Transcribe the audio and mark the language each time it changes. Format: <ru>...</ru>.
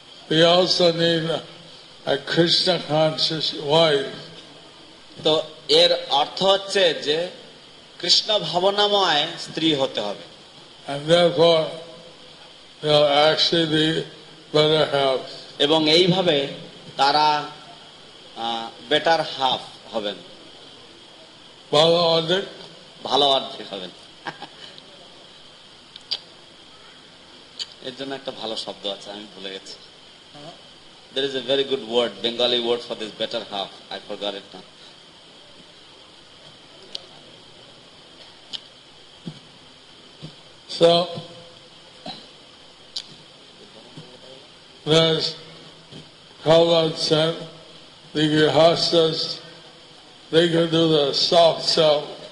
<en>We also need a Krishna conscious wife.</en> <bn>তো এর অর্থ হচ্ছে যে কৃষ্ণ ভাবনাময় স্ত্রী হতে হবে।</bn> <en>And therefore, they actually better half.</en> <bn>এবং এইভাবে তারা বেটার হাফ হবেন, ভালো অর্ধেক, ভালো অর্ধেক হবেন। এর জন্য একটা ভালো শব্দ আছে, আমি ভুলে গেছি।</bn> <en>There is a very good word, Bengali word for this better half. I forgot it now. So, there's Prabhupada said, the grihasthas, they can do the soft sell.</en>